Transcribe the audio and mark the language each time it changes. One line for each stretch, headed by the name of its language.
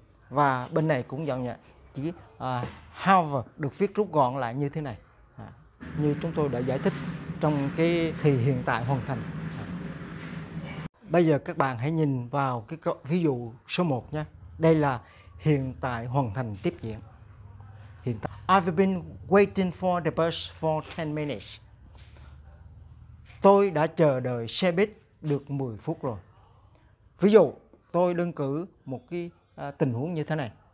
Vietnamese: Và bên này cũng dọn nhận chữ have được viết rút gọn lại như thế này. À, như chúng tôi đã giải thích trong cái thì hiện tại hoàn thành. À. Bây giờ các bạn hãy nhìn vào cái ví dụ số 1 nha. Đây là hiện tại hoàn thành tiếp diễn. Hiện tại.
English: I've been waiting for the bus for 10 minutes.
Vietnamese: Tôi đã chờ đợi xe buýt được 10 phút rồi. Ví dụ, tôi đơn cử một cái tình huống như thế này.